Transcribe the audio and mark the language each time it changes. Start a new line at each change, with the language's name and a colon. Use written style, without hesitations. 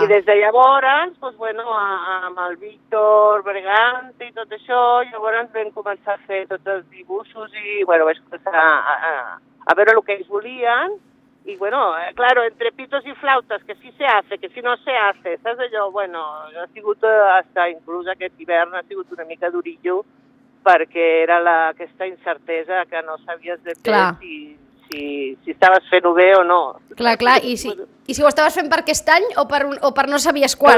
Catalan: I des de llavors, doncs, bueno, amb el Víctor Bregante i tot això, llavors vam començar a fer tots els dibuixos i bueno, vaig començar a veure el que ells volien.
Spanish: Y bueno, claro, entre pitos y flautas, que sí se hace, que sí no se hace, ¿sabes?
Catalan: Yo, bueno, ha sigut
Spanish: hasta incluso
Catalan: aquest hivern, ha sigut una mica durillo, perquè era aquesta incertesa que no sabies de clar. si estaves fent-ho bé o no. Clar, clar, i si ho estaves fent per aquest any o per no sabies quan,